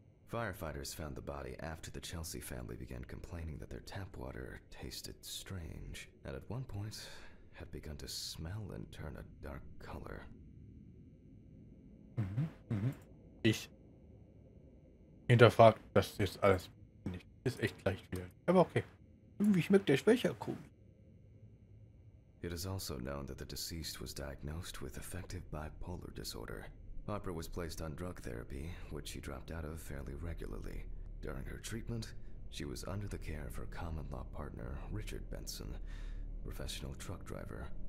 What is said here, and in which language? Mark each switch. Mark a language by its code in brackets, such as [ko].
[en] Firefighters found the body after the Chelsea family began complaining that their tap water tasted strange, and at one point had begun to smell and turn a dark color. [de] Ich hinterfrag das jetzt alles nicht. Ist echt leicht wieder. Aber okay. Irgendwie schmeckt der Sprecher cool. [en] It is also known that the deceased was diagnosed with affective bipolar disorder. Harper was placed on drug therapy, which she dropped out of fairly regularly. During her treatment, she was under the care of her common law partner, Richard Benson, professional truck driver.